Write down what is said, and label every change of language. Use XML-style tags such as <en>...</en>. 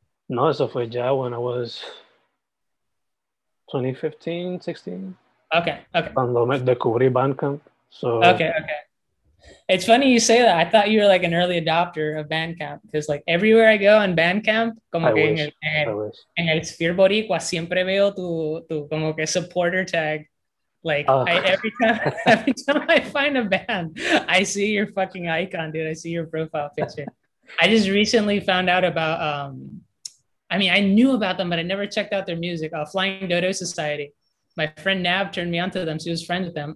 <es>No, eso fue ya</es> <en>when I was</en> <es>2015, 16.</es> <en>Okay.</en> <es>Cuando me descubrí Bandcamp.</es> <en>Okay. It's funny you say that. I thought you were like an early adopter of Bandcamp because like everywhere I go on Bandcamp,</en> <es>como</es> <en>I</en> <es>que</es> <en>wish.</en> <es>En el Sphere Boricua siempre veo tu como que</es> <en>supporter tag. Like every time I find a band, I see your fucking icon, dude. I see your profile picture. I just recently found out about, I knew about them, but I never checked out their music. Flying Dodo Society. My friend Nav turned me onto them. She was friends with them.</en>